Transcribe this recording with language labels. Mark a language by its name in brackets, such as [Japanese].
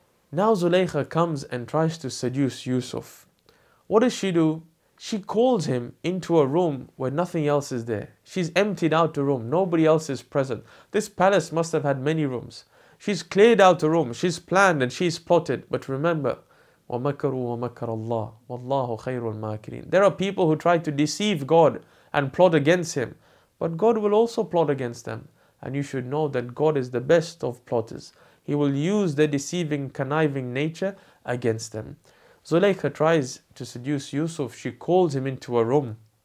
[English] Now Zulaykha comes and tries to seduce Yusuf. What does she do? She calls him into a room where nothing else is there. She's emptied out a room. Nobody else is present. This palace must have had many rooms. She's cleared out a room. She's planned and she's plotted. But remember, [Arabic] وَمَكَرُوا وَمَكَرَ اللَّهُ وَاللَّهُ خَيْرُ الْمَاكِرِينَ. [English] There are people who try to deceive God and plot against him. But God will also plot against them. And you should know that God is the best of plotters. He will use their deceiving, conniving nature against them. Zulaykha tries to seduce Yusuf. She calls him into a room.